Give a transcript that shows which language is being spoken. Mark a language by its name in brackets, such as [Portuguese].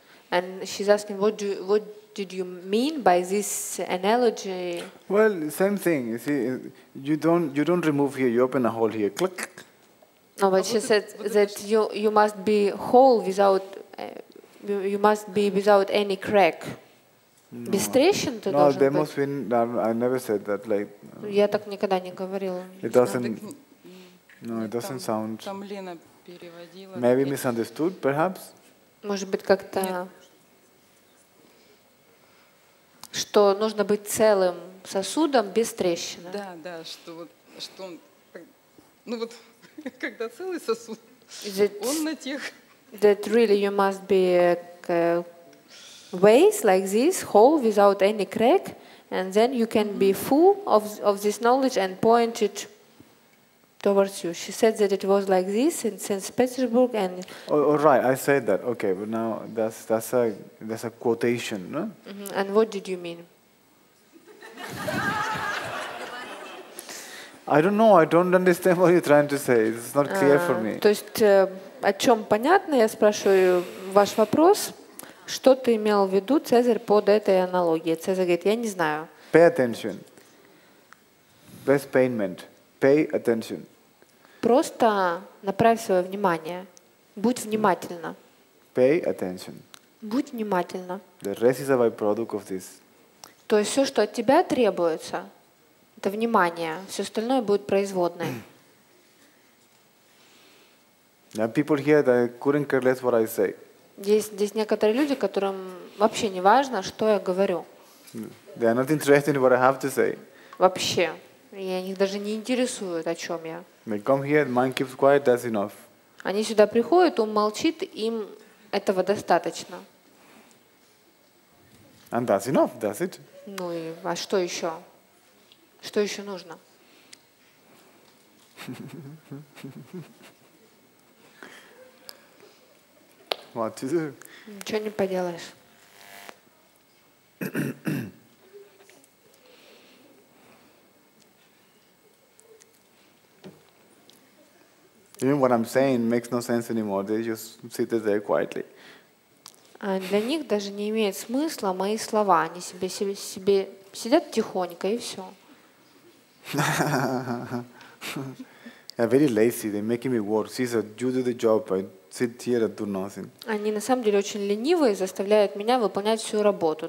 [English] And she's asking, what did you mean by this analogy? Well, same thing. You see, you don't remove here. You open a hole here. Click. No, but she said that you must be whole without you must be without any crack. No. [Russian] Без трещин ты должен быть. [English] No, there must be. No, I never said that. Like. [Russian] Я так никогда не говорила. [English] It doesn't. No, it doesn't sound. [Russian] Там Лена переводила. [English] Maybe misunderstood, perhaps. [Russian] Может быть как-то. Что нужно быть целым сосудом без трещины. Да, да, что он, ну вот, когда целый сосуд, он на тех. [English] That really you must be a vase like this, whole without any crack, and then you can be full of this knowledge and point it towards you. She said that it was like this in St. Petersburg and. Oh, right, I said that. Okay, but now that's a quotation, no? Mm-hmm. And what did you mean? I don't know. I don't understand what you're trying to say. It's not clear for me. [Russian] То есть о чем понятно? Я спрашиваю ваш вопрос. Что ты имел в виду, Цезарь, под этой аналогией? Цезарь говорит, я не знаю. [English] Pay attention. Best payment. Pay attention. [Russian] Просто направь свое внимание. Будь внимательна. [English] Pay attention. [Russian] Будь внимательна. [English] The rest is a byproduct of this. [Russian] То есть все, что от тебя требуется, это внимание. Все остальное будет производное. [English] Now people here that couldn't care less what I say. [Russian] Здесь некоторые люди, которым вообще не важно, что я говорю. [English] They are not interested in what I have to say. [Russian] Вообще. И они даже не интересуют, о чем я. [English] They come here, the mind keeps quiet, that's enough. [Russian] Они сюда приходят, ум молчит, им этого достаточно. [English] And that's enough, that's it. [Russian] Ну и а что еще? Что еще нужно? [English] What to do? [Russian] Ничего не поделаешь. [English] Even what I'm saying makes no sense anymore. They just sit there quietly. [Russian] Для них даже не имеет смысла мои слова. Они себе сидят тихонько и все. [English] They're very lazy. They're making me work. Caesar, you do the job. I sit here and do nothing. [Russian] Они на самом деле очень ленивые, заставляют меня выполнять всю работу.